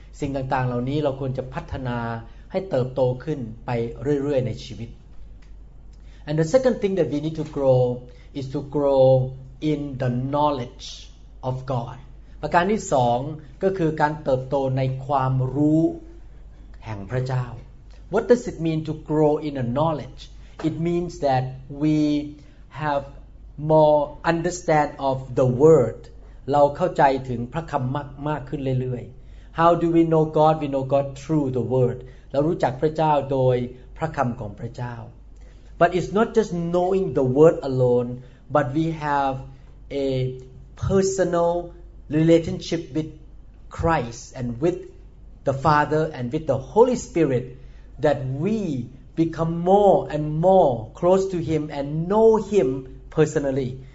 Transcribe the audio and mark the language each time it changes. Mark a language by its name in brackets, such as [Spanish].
[Thai] สิ่งต่างๆเหล่านี้เราควรจะพัฒนาให้เติบโตขึ้นไปเรื่อยๆในชีวิต [English] And the second thing that we need to grow is to grow in the knowledge of God. [Thai] ประการที่สองก็คือการเติบโตในความรู้แห่งพระเจ้า [English] What does it mean to grow in the knowledge? It means that we have more understand of the word. [Thai] เราเข้าใจถึงพระคำมากขึ้นเรื่อยๆ [English] How do we know God? We know God through the Word. [Thai] เรารู้จักพระเจ้าโดยพระคำของพระเจ้า [English] But it's not just knowing the Word alone, but we have a personal relationship with Christ and with the Father and with the Holy Spirit that we become more and more close to Him and know Him personally.